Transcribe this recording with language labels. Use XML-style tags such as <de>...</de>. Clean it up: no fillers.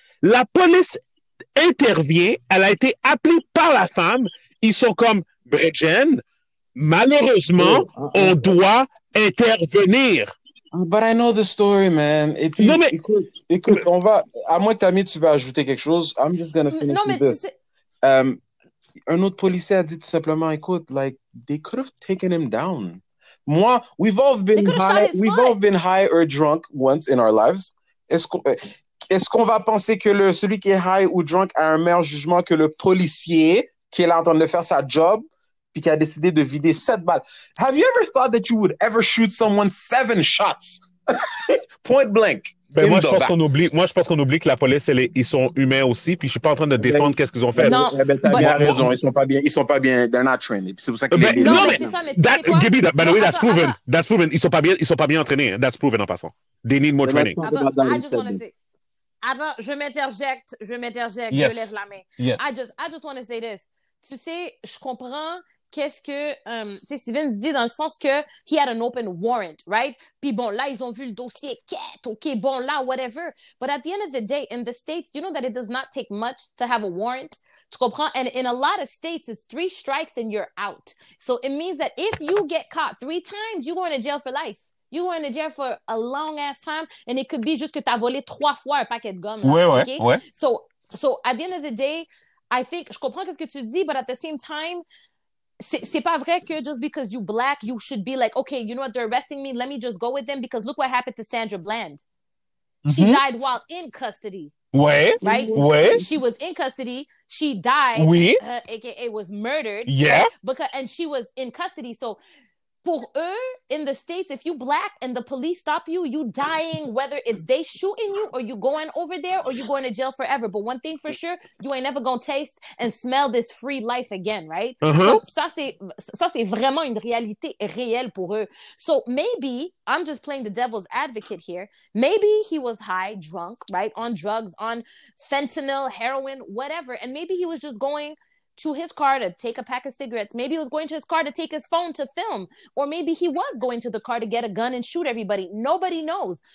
<fr>La police intervient. Elle a été appelée par la femme. Ils sont comme Bridgen. Malheureusement, on doit intervenir.</fr> <en>But I know the story, man.</en> <fr>Et puis, écoute, on va. À moins que Tammy, tu veux ajouter quelque chose.</fr> <en>I'm just gonna finish with this.</en> <fr>Un autre policier a dit tout simplement, écoute,</fr> <en>like they could have taken him down. Moi, we've all been high or drunk once in our lives.</en> <fr>Est-ce qu'on va penser que celui qui est high ou drunk a un meilleur jugement que le policier qui est là en train de faire sa job? Puis qui a décidé de vider 7 balles.</fr> <en>Have you ever thought that you would ever shoot someone 7 shots? Point blank.</en> <fr>Ben moi, je pense qu'on oublie que la police, ils sont humains aussi. Puis je ne suis pas en train de défendre qu'est-ce qu'ils ont fait. Non, t'as raison. Ils ne sont pas bien.</fr> <en>They're not trained.</en> <fr>Puis c'est pour ça que</fr> <en>That's proven.</en> <fr>Ils ne sont pas bien entraînés.</fr> <en>That's proven</en> <fr>en passant.</fr> <en>They need more training. I just want to say.</en> <fr>Attends, je m'interjecte. Yes. Je lève la main.</fr> <en>Yes. I just want to say this.</en> <fr>Tu sais, je comprends qu'est-ce que tu sais Steven dit dans le sens que</fr> <en>he had an open warrant, right?</en> <fr>Puis bon, là ils ont vu le dossier, quête, OK, bon là whatever.</fr> <en>But at the end of the day in the States, you know that it does not take much to have a warrant.</en> <fr>Tu comprends?</fr> <en>And in a lot of states it's 3 strikes and you're out. So it means that if you get caught 3 times, you're going to jail for life. You were in jail for a long ass time and it could be just</en> <fr>que tu as volé 3 fois un paquet de gomme.</fr> <en>So at the end of the day I think,</en> <fr>je comprends ce que tu dis,</fr> <en>but at the same time,</en> <fr>c'est pas vrai que</fr> <en>just because you black, you should be like, okay, you know what, they're arresting me, let me just go with them, because look what happened to Sandra Bland. She died while in custody.</en> <fr>Ouais.</fr> <en>Right?</en> <fr>Ouais.</fr> <en>She was in custody, she died,</en> <fr>oui.</fr> <en>AKA was murdered. Yeah. Because, and she was in custody, so</en> <fr>pour eux,</fr> <en>in the States, if you black and the police stop you, you dying, whether it's they shooting you or you going over there or you going to jail forever. But one thing for sure, you ain't never going to taste and smell this free life again, right? Uh-huh.</en> <fr>Ça, c'est vraiment une réalité réelle pour eux.</fr> <en>So maybe, I'm just playing the devil's advocate here, maybe he was high, drunk, right? On drugs, on fentanyl, heroin, whatever. And maybe he was just going to his car to take a pack of cigarettes. Maybe he was going to his car to take his phone to film. Or maybe he was going to the car to get a gun and shoot everybody. Nobody knows.</en>